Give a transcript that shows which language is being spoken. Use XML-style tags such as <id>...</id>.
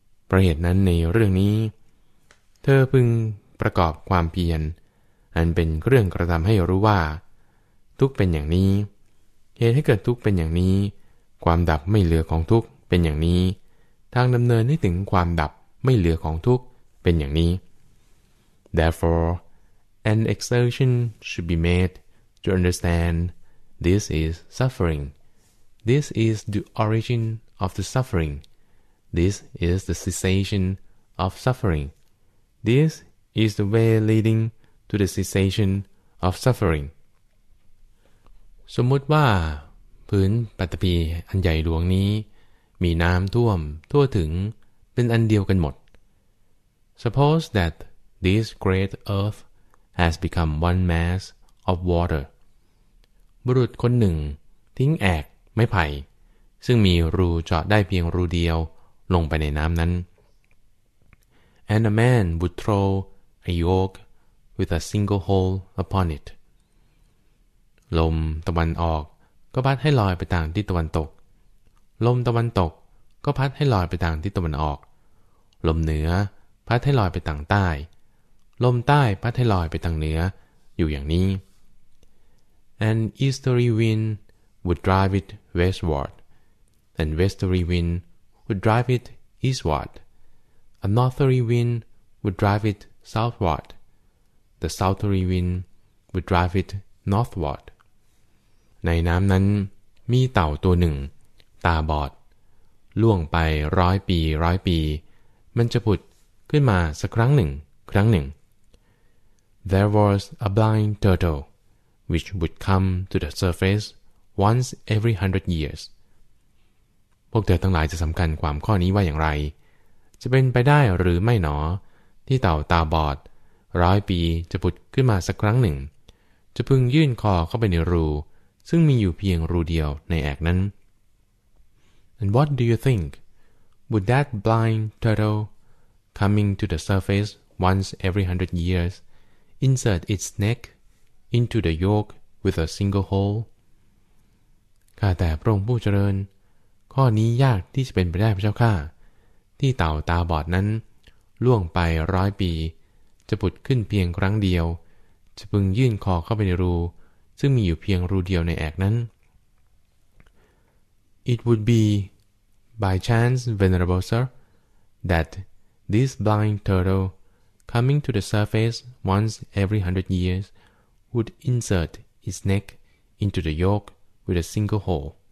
<th>ประเหตุนั้นในเรื่องนี้เธอพึงประกอบความเพียรอันเป็นเรื่องกระทำให้รู้ว่าทุกข์เป็นอย่างนี้เหตุให้เกิดทุกข์เป็นอย่างนี้ความดับไม่เหลือของทุกข์เป็นอย่างนี้ทางดำเนินให้ถึงความดับไม่เหลือของทุกข์เป็นอย่างนี้</th> <en>Therefore, an exertion should be made to understand this is suffering. This is the origin of the suffering. This is the cessation of suffering. Thisis the way leading to the cessation of suffering.</en> <th>สมมติว่าพื้นปัตตภีอันใหญ่หลวงนี้มีน้ำท่วมทั่วถึงเป็นอันเดียวกันหมด</th> <en>Suppose that this great earth has become one mass of water.</en> <th>บุรุษคนหนึ่งทิ้งแอกไม้ไผ่ซึ่งมีรูเจาะได้เพียงรูเดียวลงไปในน้ำนั้น</th> <en>And a man would throwa yoke with a single hole upon it.</en> <th>ลมตะวันออกก็พัดให้ลอยไปทางทิศตะวันตกลมตะวันตกก็พัดให้ลอยไปทางทิศตะวันออกลมเหนือพัดให้ลอยไปทางใต้ลมใต้พัดให้ลอยไปทางเหนืออยู่อย่างนี้</th> <en>an easterly wind would drive it westward, an westerly wind would drive it eastward, a northerly wind would drive it southward, the southerly wind would drive it northward.</en> <th>ในน้ำนั้นมีเต่าตัวหนึ่งตาบอดล่วงไปร้อยปีร้อยปีมันจะผุดขึ้นมาสักครั้งหนึ่งครั้งหนึ่ง</th> <en>There was a blind turtle which would come to the surface once every 100 years.</en> <th>พวกเธอทั้งหลายจะสำคัญความข้อนี้ว่าอย่างไรจะเป็นไปได้หรือไม่หนอที่เต่าตาบอดร้อยปีจะผุดขึ้นมาสักครั้งหนึ่งจะพึงยื่นคอเข้าไปในรูซึ่งมีอยู่เพียงรูเดียวในแอกนั้น</th> <en>And what do you think? Would that blind turtle coming to the surface once every 100 years insert its neck into the yolk with a single hole?</en> <th>ข้าแต่พระองค์ผู้เจริญข้อนี้ยากที่จะเป็นไปได้พระเจ้าข้าที่เต่าตาบอดนั้นล่วงไปร้อยปีจะผุดขึ้นเพียงครั้งเดียวจะพึงยื่นคอเข้าไปในรูซึ่งมีอยู่เพียงรูเดียวในแอกนั้น</th> <en>It would be by chance, venerable sir, that this blind turtle coming to the surface once every 100 years would insert its neck into the yolk with a single hole.</en>